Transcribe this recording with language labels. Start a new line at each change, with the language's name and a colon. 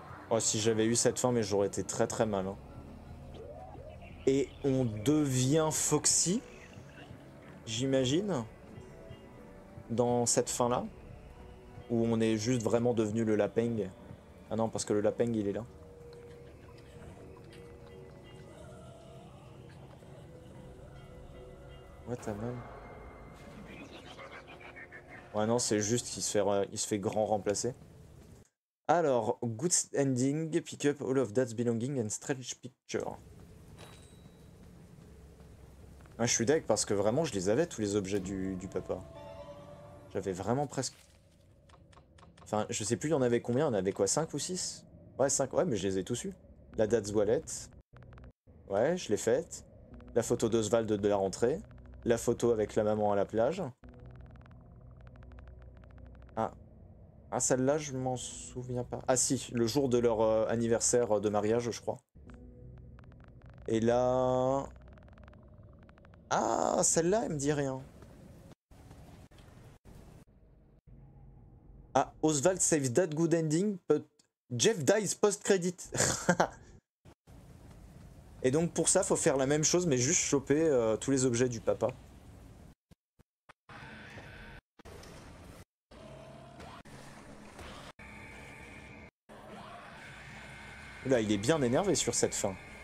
French: Oh, si j'avais eu cette fin, mais j'aurais été très très mal. Hein. Et on devient Foxy, j'imagine, dans cette fin-là, où on est juste vraiment devenu le Lapeng. Ah non, parce que le Lapeng, il est là.
English: What a man.
French: Ouais, non, c'est juste qu'il se fait grand remplacer.
English: Alors, good ending, pick up all of that's belonging and strange picture.
French: Ouais, je suis deck parce que vraiment, je les avais, tous les objets du papa. J'avais vraiment presque... Enfin, je sais plus, il y en avait combien, il y en avait quoi, 5 ou 6 ? Ouais, 5, ouais, mais je les ai tous eus. La
English: dad's wallet.
French: Ouais, je l'ai faite. La photo d'Oswald de la rentrée. La photo avec la maman à la plage. Ah, celle-là, je m'en souviens pas. Ah si, le jour de leur anniversaire de mariage, je crois. Et là... Ah, celle-là, elle me dit rien.
English: Ah, Oswald saves that good ending, but Jeff dies post-credit.
French: Et donc pour ça, faut faire la même chose, mais juste choper tous les objets du papa. Là, il est bien énervé sur cette fin.